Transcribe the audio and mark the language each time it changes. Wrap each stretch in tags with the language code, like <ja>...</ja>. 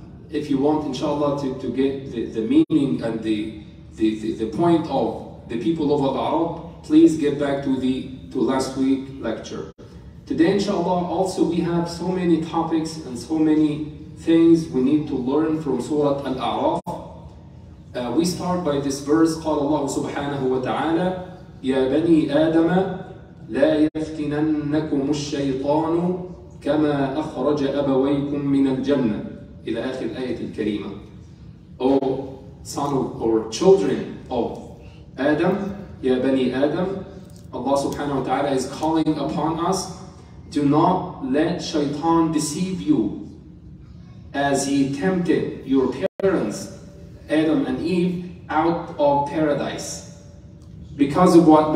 <en>If you want, inshallah, to get the meaning and the point of the people of Al-Arab, please get back to last week lecture. Today, inshallah, also we have so many topics and so many things we need to learn from Surat Al-A'raf. We start by this verse,</en> <ar>قال الله سبحانه وتعالى يا بني آدم لا يفتننكم الشيطان كما أخرج أبويكم من الجنة إلى آخر الآية الكريمة.</ar> <en>O son or children of Adam,</en> <ar>يا بني آدم,</ar> <en>Allah subhanahu wa ta'ala is calling upon us, do not let shaitan deceive you as he tempted your parents, Adam and Eve, out of paradise. Because of what?</en>